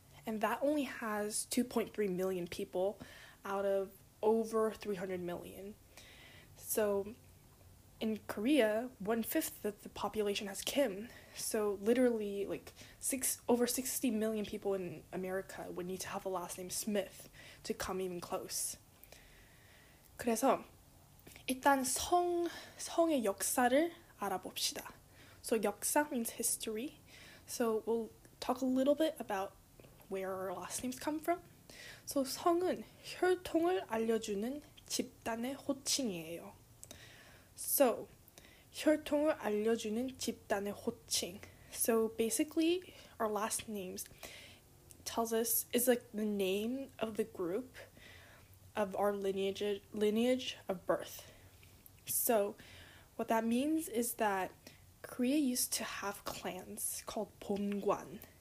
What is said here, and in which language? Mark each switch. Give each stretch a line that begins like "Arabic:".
English: And that only has 2.3 million people out of over 300 million. So in Korea, one-fifth of the population has Kim. So literally, like, over 60 million people in America would need to have the last name Smith to come even close.
Korean: 그래서 일단 성의 역사를 알아봅시다.
English: So 역사 means history. So we'll talk a little bit about where our last names come from.
Korean: So 성은 혈통을 알려주는 집단의 호칭이에요. So, 혈통을 알려주는 집단의 호칭.
English: So basically, our last names tells us is like the name of the group of our lineage of birth. So, what that means is that Korea used to have clans called Bongwan.